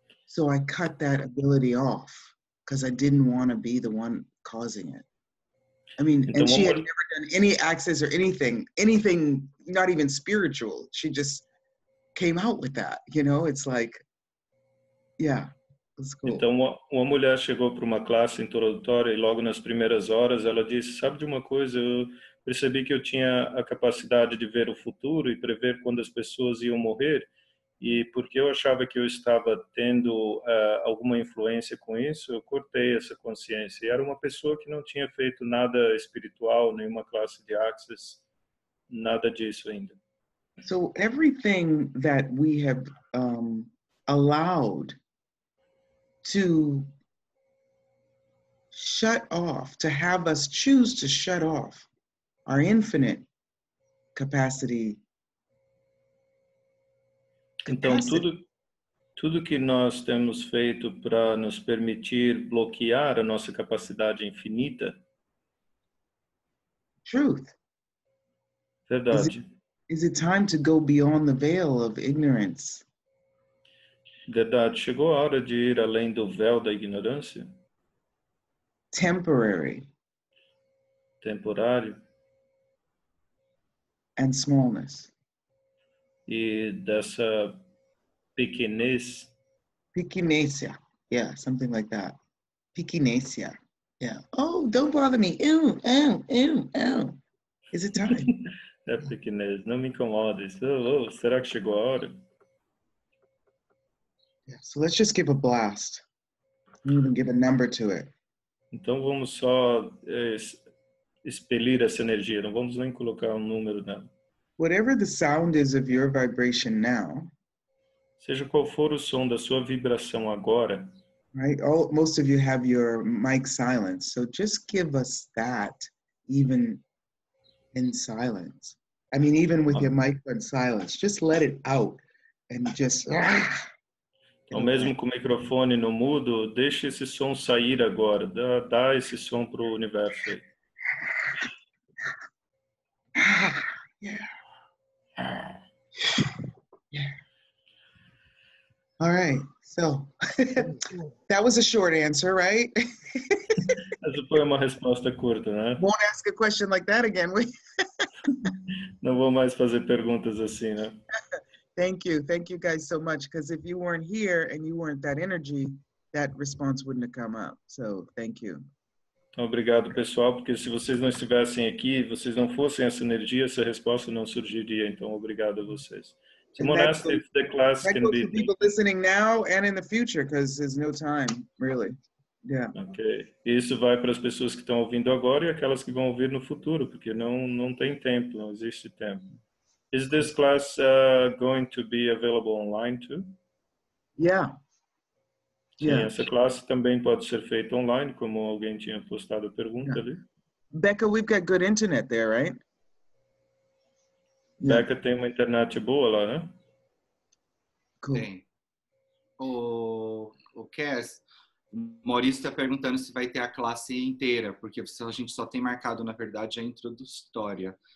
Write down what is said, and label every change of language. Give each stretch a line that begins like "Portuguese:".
English: So I cut that ability off because I didn't want to be the one causing it. I mean, então, and she had never done any access or anything, not even spiritual. She just came out with that, you know? It's like, yeah, it's cool.
Portuguese: Então, uma mulher chegou para uma classe introdutória e logo nas primeiras horas ela disse, sabe de uma coisa, percebi que eu tinha a capacidade de ver o futuro e prever quando as pessoas iam morrer, e porque eu achava que eu estava tendo alguma influência com isso, eu cortei essa consciência. E era uma pessoa que não tinha feito nada espiritual, nenhuma classe de Axis, nada disso ainda.
English: So everything that we have allowed to shut off, to have us choose to shut off our infinite capacity.
Portuguese: Então, tudo que nós temos feito para nos permitir bloquear a nossa capacidade infinita.
English: Truth.
Portuguese: Verdade.
English: Is it time to go beyond the veil of ignorance?
Portuguese: Verdade. Chegou a hora de ir além do véu da ignorância?
English: Temporary.
Portuguese: Temporário.
English: And smallness.
Portuguese: E dessa pequenez.
English: Pequenesia. Yeah, something like that. Pequenesia. Yeah. Oh, don't bother me. Ew, ew, ew, ew. Is it time?
Portuguese: É pequenez. Não me incomode. Oh, será que chegou a hora?
English: Yeah, so let's just give a blast. Even give a number to it.
Portuguese: Então vamos só expelir essa energia. Não vamos nem colocar número nela.
English: Whatever the sound is of your vibration now.
Portuguese: Seja qual for o som da sua vibração agora.
English: Right? All, most of you have your mic silenced. So just give us that even in silence. I mean, even with your mic on silence. Just let it out. And just...
Portuguese: Ou mesmo com o microfone no mudo, deixe esse som sair agora. Dá esse som pro universo aí.
English: Yeah. All right. So, that was a short answer, right?
Portuguese: Essa foi uma resposta curta, né?
English: Won't ask a question like that again.
Portuguese: Não vou mais fazer perguntas assim, né?
English: Thank you. Thank you guys so much. Because if you weren't here and you weren't that energy, that response wouldn't have come up. So, thank you.
Portuguese: Obrigado, pessoal, porque se vocês não estivessem aqui, vocês não fossem essa energia, essa resposta não surgiria. Então, obrigado a vocês.
English: Someone asked if the class can be... That goes to people listening now and in the future, because there's no time, really. Yeah. Ok.
Portuguese: Isso vai para as pessoas que estão ouvindo agora e aquelas que vão ouvir no futuro, porque não tem tempo, não existe tempo.
English: Is this class going to be available online, too? Yeah.
Portuguese: Sim, essa classe também pode ser feita online, como alguém tinha postado a pergunta ali.
English: Becca, we've got good internet there, right?
Portuguese: Becca, yeah. Tem uma internet boa lá, né? Cool. Tem. O Cass, o Maurício está perguntando se vai ter a classe inteira, porque a gente só tem marcado, na verdade, a introdutória.